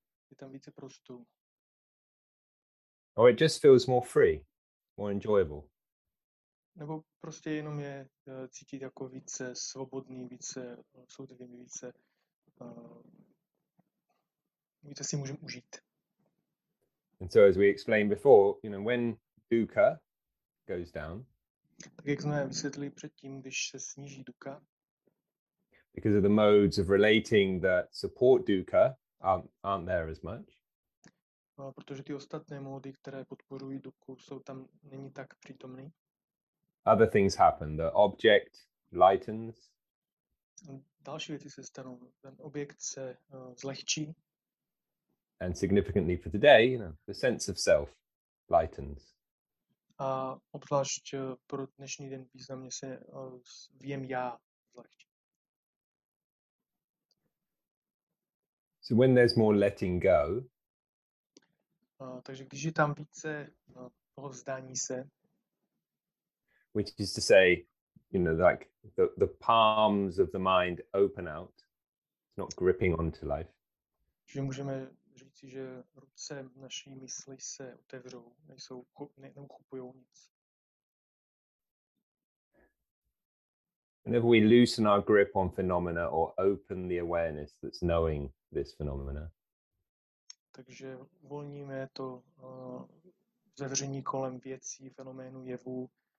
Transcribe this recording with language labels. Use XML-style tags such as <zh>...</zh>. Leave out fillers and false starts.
<cs>Je tam více prostoru.</cs> <en>Or it just feels more free, more enjoyable.</en> <cs>Nebo prostě jenom je cítit jako více svobodný, více soudivý, více si můžeme užít.</cs> <en>And so as we explained before, you know, when dukkha goes down.</en> <cs>Tak jak jsme vysvětlili předtím, když se sníží dukkha.</cs> <en>Because of the modes of relating that support dukkha aren't there as much.</en> <cs>Protože ty ostatné módy, které podporují dukkhu, jsou tam není tak přítomný.</cs> <en>Other things happen. The object lightens.</en> <cs>Další věci se stanou. Ten objekt se zlehčí.</cs> <en>And significantly for today, you know, the sense of self lightens.</en> <cs>A obzvlášť pro dnešní den významně se vím já zlehčí.</cs> <en>So when there's more letting go.</en> <cs>Takže když je tam více toho vzdání se.</cs> <en>Which is to say, you know, like the palms of the mind open out. It's not gripping onto life.</en> <cs>Že můžeme říci, že ruce naší mysli se otevřou, nejsou neuchopujou nic.</cs> <en>Whenever we loosen our grip on phenomena or open the awareness that's knowing this phenomena.</en> <cs>Takže uvolníme to zavření kolem věcí, fenoménu, jevu.</cs>